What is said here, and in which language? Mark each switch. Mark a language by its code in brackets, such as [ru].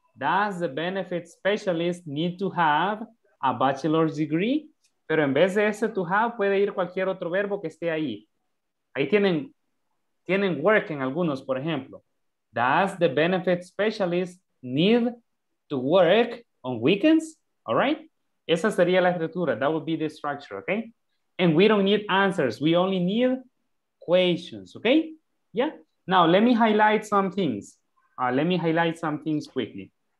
[en] Does the benefit specialist need to have a bachelor's degree? [es] Pero en vez de ese [en] to have, [es] puede ir cualquier otro verbo que esté ahí. Ahí tienen, tienen work en algunos, por ejemplo. [en] Does the benefit specialist need to work on weekends? All right? [es] Esa sería la estructura. [en] That would be the structure, okay? And we don't need answers. We only need questions, okay? Yeah? Now, let me highlight some things. Let me highlight some things quickly.